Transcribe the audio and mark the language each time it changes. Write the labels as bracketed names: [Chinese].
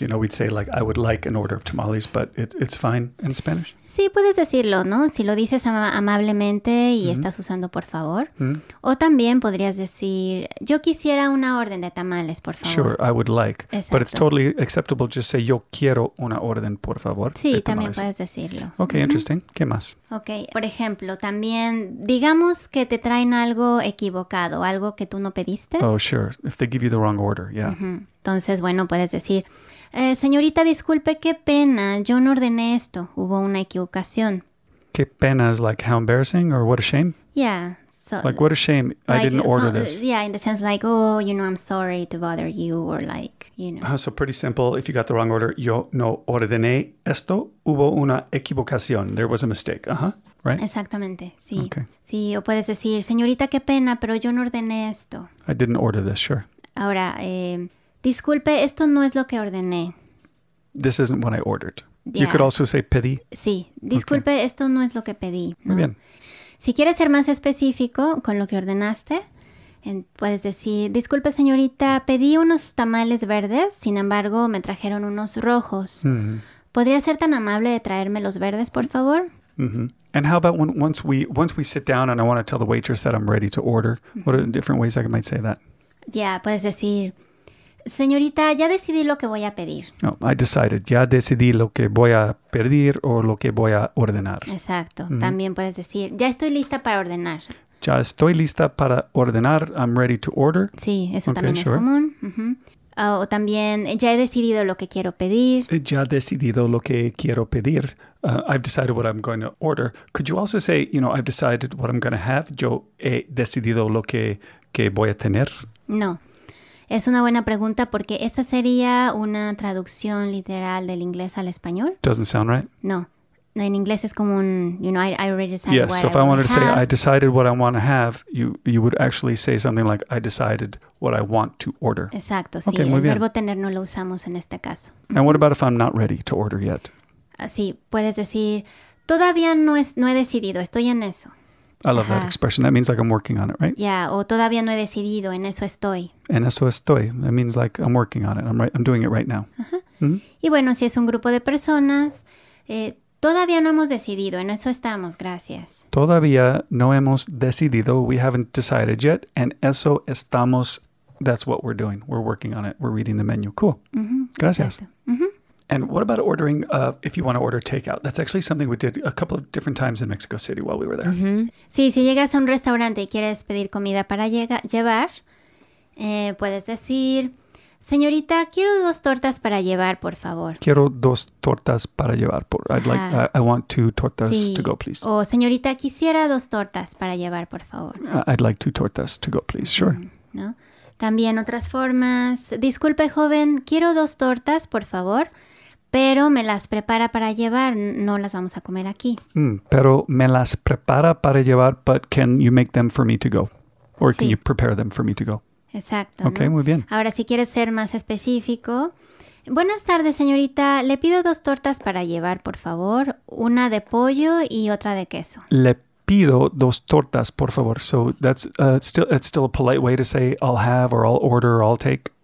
[English] You know, we'd say, like, I would like an order of tamales, but it's fine in Spanish. [Spanish] Sí, puedes decirlo, ¿no? Si lo dices amablemente y mm-hmm. estás usando por favor. Mm-hmm. O también podrías decir, yo quisiera una orden de tamales, por favor. [English] Sure, I would like. [Spanish] Exacto. [English] But it's totally acceptable just say, [Spanish] yo quiero una orden, por favor, sí, de tamales. También puedes decir. Ok, mm-hmm. interesting. ¿Qué más? Ok, por ejemplo, también digamos que te traen algo equivocado, algo que tú no pediste. [English] Oh, sure. If they give you the wrong order, yeah. Mm-hmm. [Spanish] Entonces, bueno, puedes decir, señorita, disculpe, qué pena, yo no ordené esto, hubo una equivocación. Qué pena [English] is like how embarrassing or what a shame? Yeah. So, like what a shame, like, I didn't order this. Yeah, in the sense like, oh, you know, I'm sorry to bother you or like. You know. So pretty simple. If you got the wrong order, [Spanish] yo no ordené esto, hubo una equivocación. [English] There was a mistake. Uh-huh. Right? [Spanish] Exactamente. Sí. [English] Okay. [Spanish] Sí, o puedes decir, señorita, qué pena, pero yo no ordené esto. [English] I didn't order this, sure. [Spanish] Ahora, disculpe, esto no es lo que ordené. [English] This isn't what I ordered. Yeah. You could also say pedí. [Spanish] Sí. Disculpe, okay. Esto no es lo que pedí. ¿No? Muy bien. Si quieres ser más específico con lo que ordenaste... Puedes decir, disculpe señorita, pedí unos tamales verdes, sin embargo me trajeron unos rojos. Mm-hmm. ¿Podría ser tan amable de traerme los verdes, por favor? Mm-hmm. [English] And how about when, once we sit down and I want to tell the waitress that I'm ready to order? Mm-hmm. What are the different ways I might say that? [Spanish] Yeah, puedes decir, señorita, ya decidí lo que voy a pedir. [English] Oh, I decided, [Spanish] ya decidí lo que voy a pedir o lo que voy a ordenar. Exacto, mm-hmm. También puedes decir, ya estoy lista para ordenar. Ya estoy lista para ordenar. [English] I'm ready to order. [Spanish] Sí, eso okay, también sure. es común. Uh-huh. O también, ya he decidido lo que quiero pedir. Ya he decidido lo que quiero pedir. [English] I've decided what I'm going to order. Could you also say, you know, I've decided what I'm going to have. [Spanish] Yo he decidido lo que voy a tener. No. Es una buena pregunta porque esta sería una traducción literal del inglés al español. [English] Doesn't sound right. [Spanish] No. En inglés es como un, [English] you know, I already decided yes, what I Yes, so if I wanted to say, I decided what I want to have, you would actually say something like, I decided what I want to order. [Spanish] Exacto, sí. Okay, el verbo tener no lo usamos en este caso. [English] And what about if I'm not ready to order yet? [Spanish] Sí, puedes decir, todavía no he decidido, estoy en eso. [English] I love that expression. That means like I'm working on it, right? [Spanish] Yeah, o todavía no he decidido, en eso estoy. En eso estoy. [English] That means like I'm working on it. I'm doing it right now. [Spanish] Mm-hmm. Y bueno, si es un grupo de personas... Todavía no hemos decidido, en eso estamos, gracias. Todavía no hemos decidido, [English] we haven't decided yet, [Spanish] en eso estamos, [English] that's what we're doing. We're working on it, we're reading the menu. Cool. Mm-hmm. [Spanish] Gracias. Mm-hmm. [English] And what about ordering, if you want to order takeout? That's actually something we did a couple of different times in Mexico City while we were there. Mm-hmm. [Spanish] Sí, si llegas a un restaurante y quieres pedir comida para llevar, puedes decir... Señorita, quiero dos tortas para llevar, por favor. Quiero dos tortas para llevar. [English] I want two tortas [Spanish] sí. [English] to go, please. [Spanish] O señorita, quisiera dos tortas para llevar, por favor. [English] I'd like two tortas to go, please. Sure. [Spanish] ¿No? También otras formas. Disculpe, joven, quiero dos tortas, por favor, pero me las prepara para llevar. No las vamos a comer aquí. Pero me las prepara para llevar, [English] but can you make them for me to go? Or can [Spanish] sí. [English] you prepare them for me to go? [Spanish] Exacto. [English] Okay, [Spanish] ¿no? Muy bien. Ahora, si quieres ser más específico. Buenas tardes, señorita. Le pido dos tortas para llevar, por favor. Una de pollo y otra de queso. Le pido dos tortas, por favor. [English] So, that's it's still a polite way to say I'll have or I'll order or I'll take.